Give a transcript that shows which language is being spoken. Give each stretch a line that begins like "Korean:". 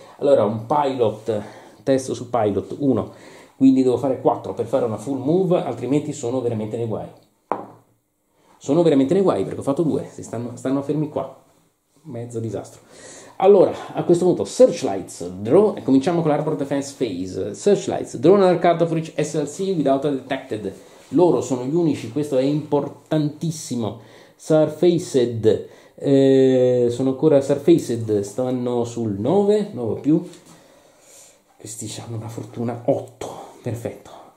Italian: Allora, un pilot, testo su pilot 1, quindi devo fare 4 per fare una full move, altrimenti sono veramente nei guai. Sono veramente nei guai perché ho fatto 2, stanno fermi qua. Mezzo disastro. Allora, a questo punto, searchlights, drone, e cominciamo con l'Arbor Defense Phase.
English: Searchlights, drone under cover for each SLC without a detected.
Italian: Loro sono gli unici, questo è importantissimo. Surfaced, sono ancora surfaced, stanno sul 9, 9 più. Questi hanno una fortuna, 8, perfetto.